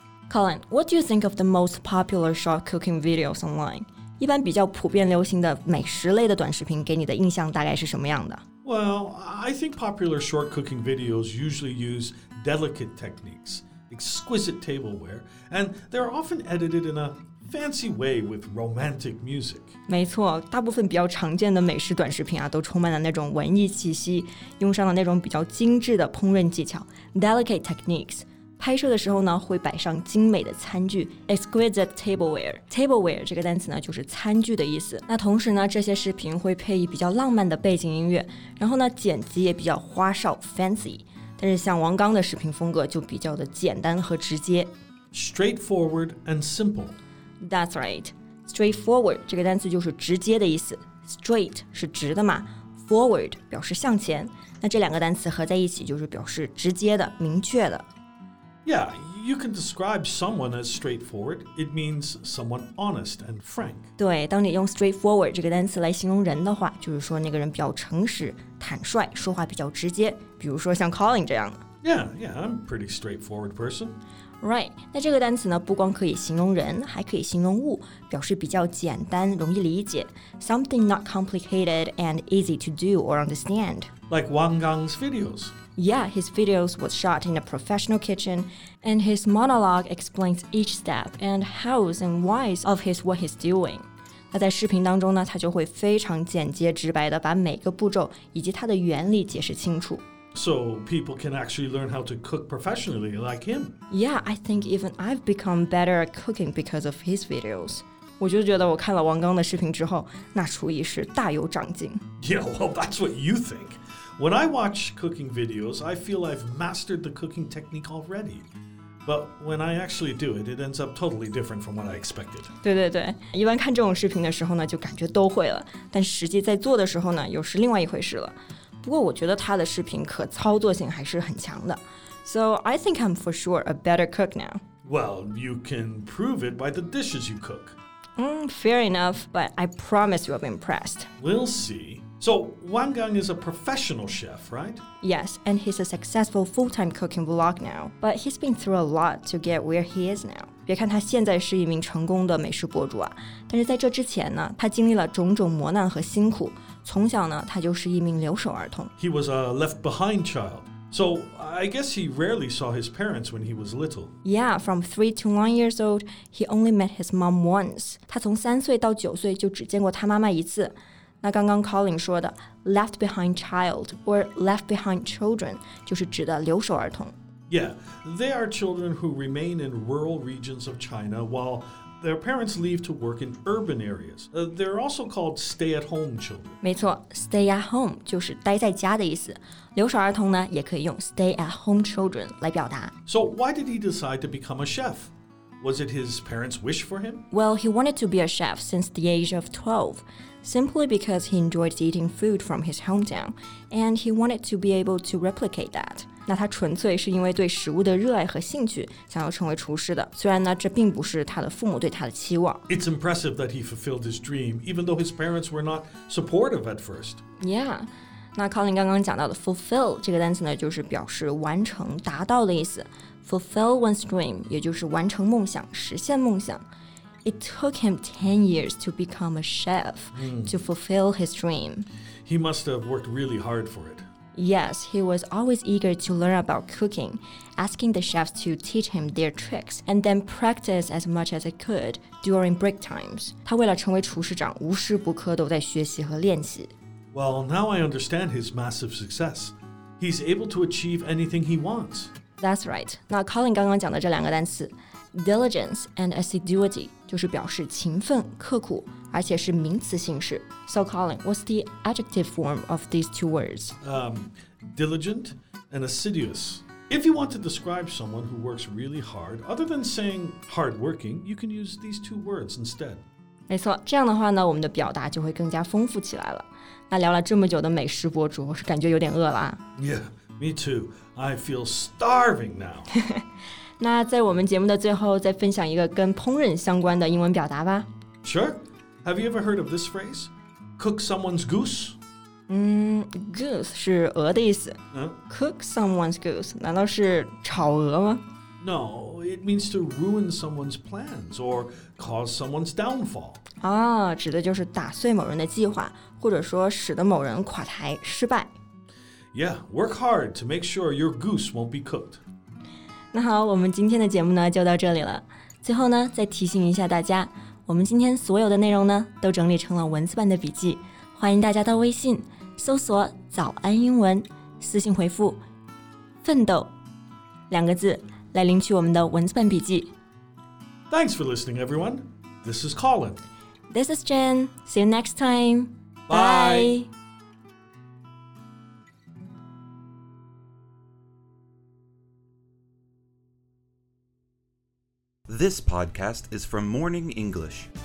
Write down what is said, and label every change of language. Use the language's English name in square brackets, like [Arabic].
[English] Colin, what do you think of the most popular short cooking videos online? [Chinese] 一般比较普遍流行的美食类的短视频给你的印象大概是什么样的？ [English] Well, I think popular short cooking videos usually use delicate techniques, exquisite tableware, and they're often edited in a fancy way with romantic music. [Chinese] 没错，大部分比较常见的美食短视频啊，都充满了那种文艺气息，用上了那种比较精致的烹饪技巧 , [English] delicate techniques. [Chinese] 拍摄的时候呢，会摆上精美的餐具 , [English] exquisite tableware. [Chinese] Tableware 这个单词呢，就是餐具的意思。那同时呢，这些视频会配以比较浪漫的背景音乐，然后呢，剪辑也比较花哨 ,fancy. 但是像王刚的视频风格就比较的简单和直接。 [English] Straightforward and simple. That's right. [Chinese] Straightforward 这个单词就是直接的意思。Straight 是直的嘛。 Forward 表示向前。那这两个单词合在一起就是表示直接的、明确的。 [English] Yeah, you can describe someone as straightforward. It means someone honest and frank. [Chinese] 对，当你用 straightforward 这个单词来形容人的话，就是说那个人比较诚实、坦率，说话比较直接。比如说像 Colin 这样的。 [English] Yeah, I'm a pretty straightforward person. Right, [Chinese] 那这个单词呢不光可以形容人还可以形容物表示比较简单容易理解 [English] Something not complicated and easy to do or understand Like Wang Gang's videos Yeah, his videos were shot in a professional kitchen And his monologue explains each step and hows and whys of his what he's doing [Chinese] 那在视频当中呢他就会非常简洁直白的把每个步骤以及他的原理解释清楚 [English] So people can actually learn how to cook professionally like him. Yeah, I think even I've become better at cooking because of his videos. [Chinese] 我就觉得我看了王刚的视频之后，那厨艺是大有长进。 [English] Yeah, well, that's what you think. When I watch cooking videos, I feel I've mastered the cooking technique already. But when I actually do it, it ends up totally different from what I expected. [Chinese] 对对对，一般看这种视频的时候呢，就感觉都会了，但实际在做的时候呢，又是另外一回事了。不过我觉得他的视频可操作性还是很强的。 [English] So I think I'm for sure a better cook now. Well, you can prove it by the dishes you cook. Fair enough, but I promise you I'll be impressed. We'll see. So Wang Gang is a professional chef, right? Yes, and he's a successful full-time cooking vlog now. But he's been through a lot to get where he is now. [Chinese] 别看他现在是一名成功的美食博主啊，但是在这之前呢，他经历了种种磨难和辛苦。从小呢，他就是一名留守儿童。 [English] He was a left behind child. So I guess he rarely saw his parents when he was little. Yeah, from 3 to 1 years old, he only met his mom once. [Chinese] 他从3岁到9岁就只见过他妈妈一次。那刚刚 Colin 说的 [English] left behind child or left behind children [Chinese] 就是指的留守儿童。 [English] Yeah, they are children who remain in rural regions of China while their parents leave to work in urban areas. They're also called stay-at-home children. [Chinese] 没错 ,stay at home 就是待在家的意思。留守儿童呢也可以用 [English] stay-at-home children [Chinese] 来表达。 [English] So why did he decide to become a chef? Was it his parents' wish for him? Well, he wanted to be a chef since the age of 12, simply because he enjoys eating food from his hometown, and he wanted to be able to replicate that. [Chinese] 那他纯粹是因为对食物的热爱和兴趣想要成为厨师的虽然呢这并不是他的父母对他的期望 [English] It's impressive that he fulfilled his dream even though his parents were not supportive at first [Chinese] Yeah 那 Colin 刚刚讲到的 fulfill 这个单词呢就是表示完成达到的意思 [English] Fulfill one's dream [Chinese] 也就是完成梦想实现梦想 [English] It took him 10 years to become a chef to fulfill his dream He must have worked really hard for it Yes, he was always eager to learn about cooking, asking the chefs to teach him their tricks, and then practice as much as he could during break times. [Chinese] 他为了成为厨师长，无时不刻都在学习和练习。 [English] Well, now I understand his massive success. He's able to achieve anything he wants. That's right. [Chinese] 那 Colin 刚刚讲的这两个单词 , [English] diligence and assiduity, [Chinese] 就是表示勤奋、刻苦。而且是名词形式。 [English] So Colin, what's the adjective form of these two words? Diligent and assiduous. If you want to describe someone who works really hard, other than saying hardworking, you can use these two words instead. [Chinese] 没错，这样的话呢，我们的表达就会更加丰富起来了。那聊了这么久的美食博主，我是感觉有点饿了啊。 [English] Yeah, me too. I feel starving now. [Chinese] 那在我们节目的最后，再分享一个跟烹饪相关的英文表达吧。 [English] Sure. Have you ever heard of this phrase? Cook someone's goose? [Chinese] Goose 是鹅的意思。 [English] Cook someone's goose, [Chinese] 难道是炒鹅吗? [English] No, it means to ruin someone's plans or cause someone's downfall. [Chinese] 啊，指的就是打碎某人的计划，或者说使得某人垮台，失败。 [English] Yeah, work hard to make sure your goose won't be cooked. [Chinese] 那好，我们今天的节目呢，就到这里了。最后呢，再提醒一下大家我们今天所有的内容呢，都整理成了文字版的笔记，欢迎大家到微信搜索“早安英文”，私信回复“奋斗”两个字来领取我们的文字版笔记。 [English] Thanks for listening, everyone. This is Colin. This is Jen. See you next time. Bye. Bye. This podcast is from Morning English.